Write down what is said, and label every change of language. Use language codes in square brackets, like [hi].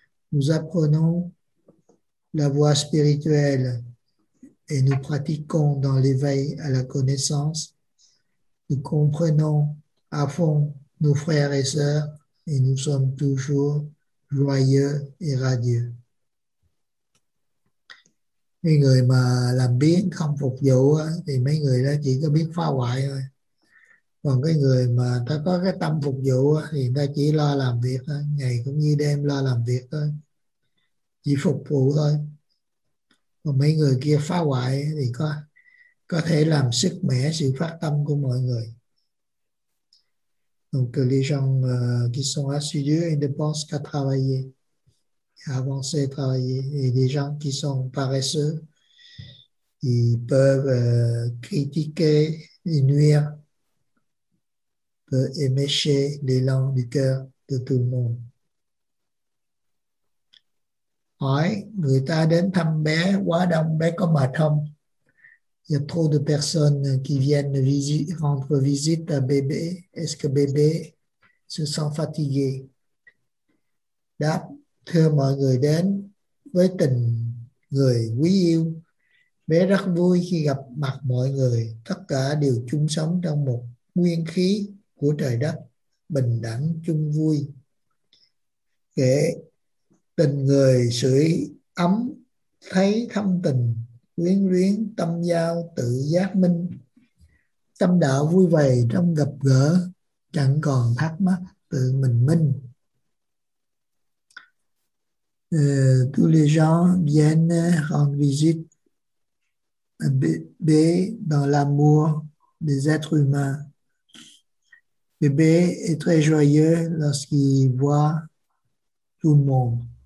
[fr] Nous apprenons la voie spirituelle et nous pratiquons dans l'éveil à la connaissance. Nous comprenons à fond nos frères et sœurs et nous sommes toujours joyeux et radieux. [vi] Mấy người mà làm biếng không phục vụ thì mấy người đó chỉ có biết phá hoại thôi. Còn cái người mà ta có cái tâm phục vụ thì ta chỉ lo làm việc thôi. Ngày cũng như đêm lo làm việc thôi. Chỉ phục vụ thôi. Còn mấy người kia phá hoại thì có thể làm sức mẻ sự phát tâm của mọi người. [fr] Donc les gens qui sont assidus et ne pensent qu'à travailler. Avancer, travailler. Et des gens qui sont paresseux, ils peuvent critiquer et nuire, peuvent émécher l'élan du cœur de tout le monde. [vi] Hỏi, người ta đến thăm bé, quá đông, bé có mệt không? [fr] Il y a trop de personnes qui viennent rendre visite à bébé. Est-ce que bébé se sent fatigué? [vi] Đáp, thưa mọi người đến với tình người quý yêu, bé rất vui khi gặp mặt mọi người, tất cả đều chung sống trong một nguyên khí của trời đất, bình đẳng chung vui. Kể tình người sưởi ấm, thấy thâm tình, quyến luyến tâm giao tự giác minh, tâm đạo vui vầy trong gặp gỡ, chẳng còn thắc mắc tự mình minh. [fr] Tous les gens viennent rendre visite à bébé dans l'amour des êtres humains. Bébé est très joyeux lorsqu'il voit tout le monde.